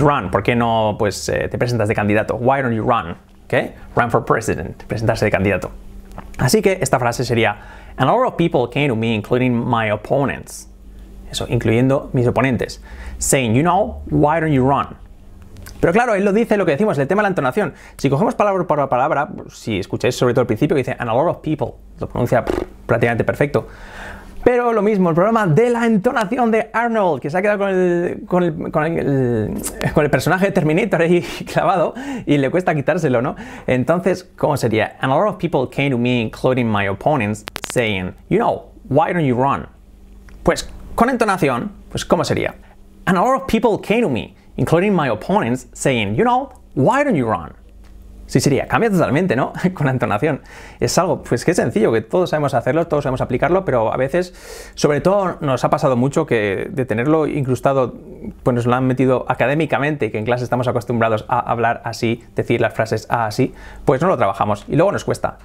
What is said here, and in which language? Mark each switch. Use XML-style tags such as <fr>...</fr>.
<es>¿Por qué no pues, te presentas de candidato?</es> <en>Why don't you run? ¿Okay? Run for president,</en> <es>presentarse de candidato. Así que esta frase sería,</es> <en>and a lot of people came to me, including my opponents.</en> <es>Eso, incluyendo mis oponentes.</es> <en>Saying, you know, why don't you run?</en> <es>Pero claro, él lo dice, lo que decimos, el tema de la entonación. Si cogemos palabra por palabra, si escucháis sobre todo el principio, que dice,</es> <en>and a lot of people,</en> <es>lo pronuncia prácticamente perfecto. Pero lo mismo, el problema de la entonación de Arnold, que se ha quedado con el personaje de Terminator ahí clavado y le cuesta quitárselo, ¿no? Entonces, ¿cómo sería?</es> <en>And a lot of people came to me, including my opponents, saying, you know, why don't you run?</en> <es>Pues, con entonación, pues, ¿cómo sería?</es> <en>And a lot of people came to me, including my opponents, saying, you know, why don't you run?</en> <es>Sí, sería. Cambia totalmente, ¿no? Con la entonación. Es algo, pues, que es sencillo, que todos sabemos hacerlo, todos sabemos aplicarlo, pero a veces, sobre todo, nos ha pasado mucho que de tenerlo incrustado, pues nos lo han metido académicamente, que en clase estamos acostumbrados a hablar así, decir las frases así, pues no lo trabajamos y luego nos cuesta.</es>